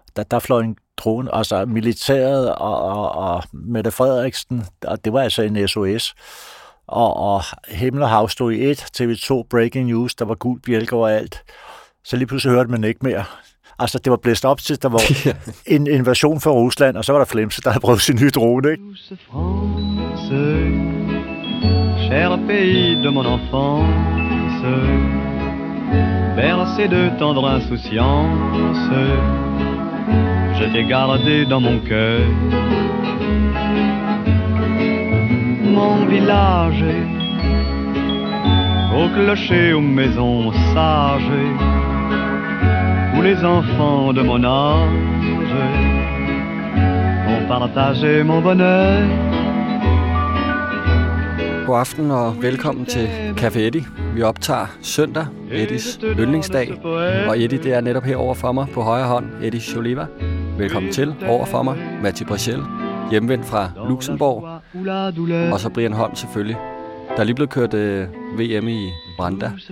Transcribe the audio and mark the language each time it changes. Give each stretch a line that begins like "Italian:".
Danish: Der fløj en drone, altså militæret og Mette Frederiksen, og det var altså en SOS. Og himmel og hav stod i et, TV2, breaking news, der var gul bjælke overalt. Så lige pludselig hørte man ikke mere. Altså, det var blæst op til, der var en invasion fra Rusland, og så var der Flemse, der havde prøvet sin nye drone, ikke?
French: France, cher pays de mon enfance, bercé de tendre insouciance, je t'ai gardé dans mon cœur. Mon village, au clocher, aux maisons sages, où les enfants de mon âge ont partagé mon bonheur.
Danish: God aften og velkommen til Café Eddie. Vi optager søndag, Eddies yndlingsdag. Og Eddie, det er netop herover for mig på højre hånd, Eddie Choliva. Velkommen til over for mig, Mathieu Brechel, hjemvendt fra Luxembourg. Og så Brian Holm selvfølgelig. Der er lige blevet kørt VM i Rwanda.